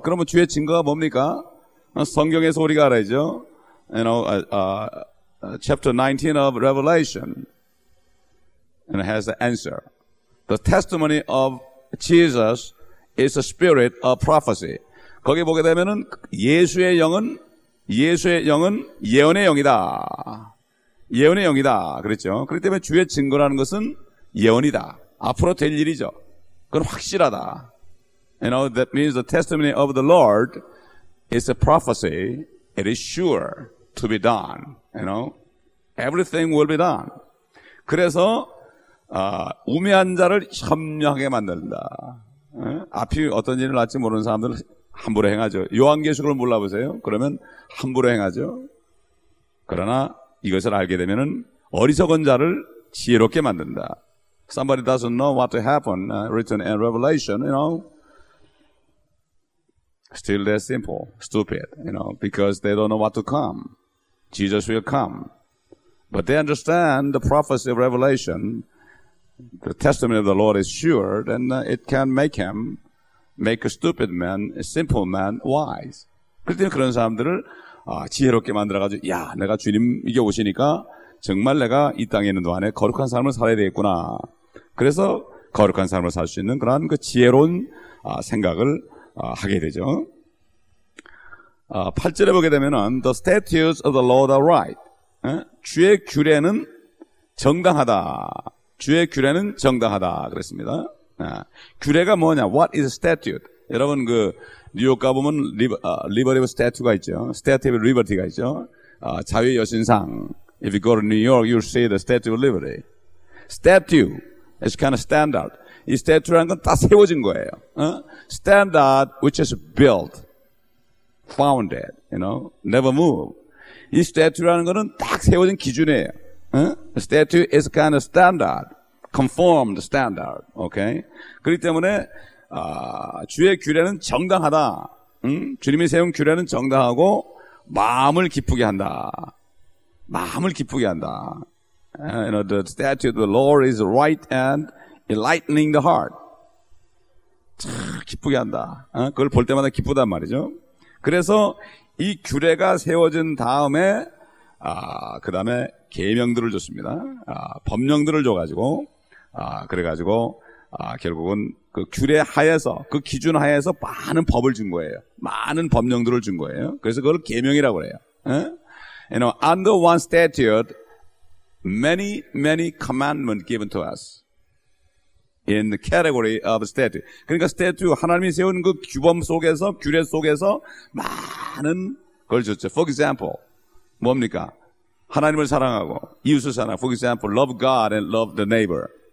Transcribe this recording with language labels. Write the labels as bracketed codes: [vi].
[ko] 그러면 주의 증거가 뭡니까? 성경에서 우리가 알아야죠. [en] You know, chapter 19 of Revelation and it has the answer. The testimony of Jesus is the spirit of prophecy. [ko] 거기 보게 되면은 예수의 영은 예언의 영이다. 예언의 영이다. 그렇죠? 그렇기 때문에 주의 증거라는 것은 예언이다. 앞으로 될 일이죠. 그건 확실하다. [en] You know, that means the testimony of the Lord is a prophecy. It is sure to be done. You know, everything will be done. [ko] 그래서, 우매한 자를 현명하게 만든다. 앞이 어떤 일을 할지 모르는 사람들 함부로 행하죠. 요한계시록을 몰라보세요. 그러면 함부로 행하죠. 그러나 이것을 알게 되면 어리석은 자를 지혜롭게 만든다. [en] Somebody doesn't know what to happen written in Revelation, you know. Still they're simple, stupid, you know, because they don't know what to come. Jesus will come. But they understand the prophecy of Revelation. The testimony of the Lord is sure, then it can make him, make a stupid man, a simple man, wise. [ko] 그때는 그런 사람들을 지혜롭게 만들어가지고, 야, 내가 주님 이게 오시니까 정말 내가 이 땅에 있는 동안에 거룩한 삶을 살아야 되겠구나. 그래서 거룩한 삶을 살 수 있는 그런 그 지혜로운 생각을 하게 되죠. 8절에 보게 되면은 [en] The statutes of the Lord are right. [ko] 주의 규례는 정당하다. 주의 규례는 정당하다. 그랬습니다. 규례가 뭐냐? [en] What is a statute? [ko] 여러분 그 뉴욕 가보면 리버티 스태튜가 있죠. 스태튜 오브 리버티가 있죠. 자유의 여신상. [en] If you go to New York, you'll see the Statue of Liberty. Statue is kind of standard. [ko] 이 statue라는 건 다 세워진 거예요. [en] Standard which is built, founded, you know, never move. [ko] 이 statue라는 거는 딱 세워진 기준이에요. [en] Statue is kind of standard, conformed standard, okay? [ko] 그렇기 때문에 주의 규례는 정당하다. 주님이 세운 규례는 정당하고 마음을 기쁘게 한다. 마음을 기쁘게 한다. [en] You know, the statue of the Lord is right and enlightening the heart. [ko] 기쁘게 한다. 그걸 볼 때마다 기쁘단 말이죠. 그래서 이 규례가 세워진 다음에 그 다음에 계명들을 줬습니다. 법령들을 줘가지고 그래가지고 결국은 그 규례 하에서 그 기준 하에서 많은 법을 준 거예요. 많은 법령들을 준 거예요. 그래서 그걸 계명이라고 그래요. [en] You know, under one statute, many, many commandments given to us in the category of statute. [ko] 그러니까 statute, 하나님이 세운 그 규범 속에서, 규례 속에서 많은 걸 줬죠. [en] For example, [ko] 뭡니까? 하나님을 사랑하고, 이웃을 사랑하고, [en] for example, love God and love the neighbor.